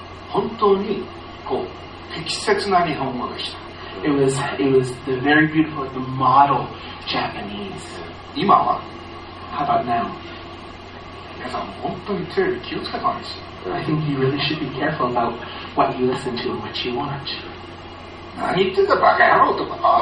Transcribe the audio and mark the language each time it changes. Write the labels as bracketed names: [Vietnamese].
[Japanese] 本当にこう適切な日本語でした。 [English] It was the very beautiful, the model Japanese. [Japanese] 今は [English] How about now? [Japanese] 皆さん本当にテレビ気をつけたんですよ。 [English] I think you really should be careful about what you listen to and what you watch. [Japanese] 何言ってんだバカ野郎とか。